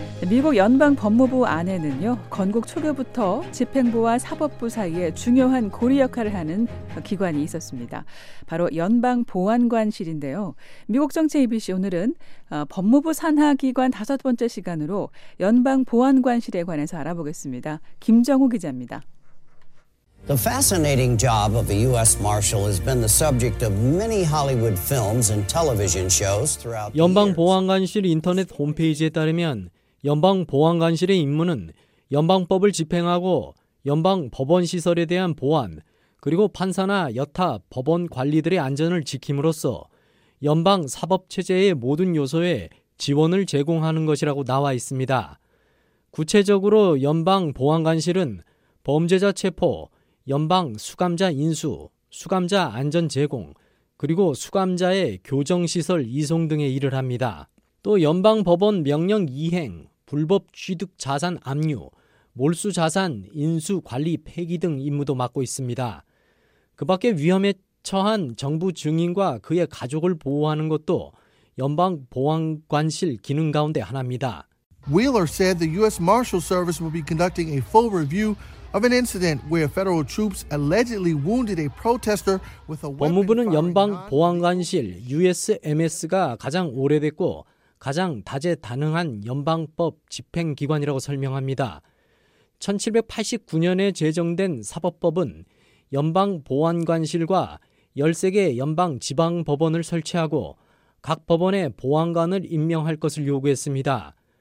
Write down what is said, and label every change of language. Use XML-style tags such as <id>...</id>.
<ko>미국 연방 법무부 안에는요, 건국 초기부터 집행부와 사법부 사이에 중요한 고리 역할을 하는 기관이 있었습니다. 바로 연방보안관실인데요. 미국 정치 ABC 오늘은 법무부 산하기관 다섯 번째 시간으로 연방보안관실에 관해서 알아보겠습니다. 김정우 기자입니다.</ko> <en>The fascinating job of a U.S. Marshal has been the subject of many Hollywood films and television shows throughout the years.</en> <ko>연방보안관실 인터넷 홈페이지에 따르면 연방보안관실의 임무는 연방법을 집행하고 연방법원시설에 대한 보안, 그리고 판사나 여타 법원 관리들의 안전을 지킴으로써 연방사법체제의 모든 요소에 지원을 제공하는 것이라고 나와 있습니다. 구체적으로 연방보안관실은 범죄자 체포, 연방 수감자 인수, 수감자 안전 제공, 그리고 수감자의 교정시설 이송 등의 일을 합니다. 또 연방법원 명령 이행, 불법 취득 자산 압류, 몰수 자산 인수 관리 폐기 등 임무도 맡고 있습니다. 그 밖에 위험에 처한 정부 증인과 그의 가족을 보호하는 것도 연방보안관실 기능 가운데 하나입니다.</ko> <en>Wheeler said the U.S. Marshals Service will be conducting a full review of an incident where federal troops allegedly wounded a protester with a weapon.</en> <ko>법무부는 연방보안관실 USMS가 가장 오래됐고 가장 다재다능한 연방법 집행기관이라고 설명합니다. 1789년에 제정된 사법법은 연방보안관실과 13개 연방지방법원을 설치하고 각 법원에 보안관을 임명할 것을 요구했습니다.</ko>